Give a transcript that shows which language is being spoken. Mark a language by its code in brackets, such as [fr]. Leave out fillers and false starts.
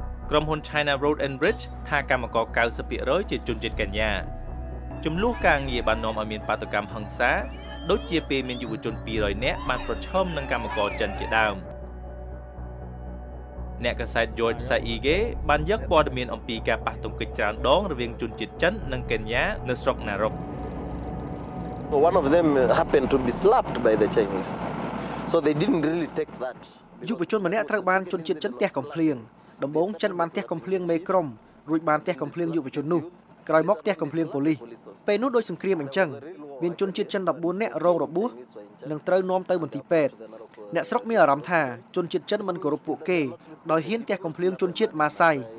[km] ក្រុមហ៊ុន China Road and Bridge ថាកម្មករ 90% ជាជនជាតិកញ្ញាចំនួនការងារបាននាំឲ្យមានបាតុកម្មហិង្សាដូចជាពេលមានយុវជន200នាក់បានប្រឈមនឹងកម្មករចិនជាដើមអ្នកកសែត George Saige បានយកព័ត៌មានអំពីការប៉ះទង្គិចច្រើនដងរវាងជនជាតិចិននិងកេនយ៉ានៅស្រុកណារុក [en] One of them happened to be slapped by the Chinese so they didn't really take that [km] យុវជនម្នាក់ត្រូវបានជនជាតិចិនទះកំភ្លៀងដំបូងចិនបានទះកំភ្លៀងមេក្រុមរួចបានទះកំភ្លៀងយុវជននោះក្រោយមកទះកំភ្លៀងប៉ូលីសពេលនោះដោយសង្គ្រាមអញ្ចឹងមានជនជាតិចិន14នាក់រងរបួសនិងត្រូវនាំទៅមន្ទីរពេទ្យអ្នកស្រុកមានអារម្មណ៍ថាជនជាតិចិនមិនគោរពពួកគេដោយហ៊ានទះកំភ្លៀងជនជាតិម៉ាសៃ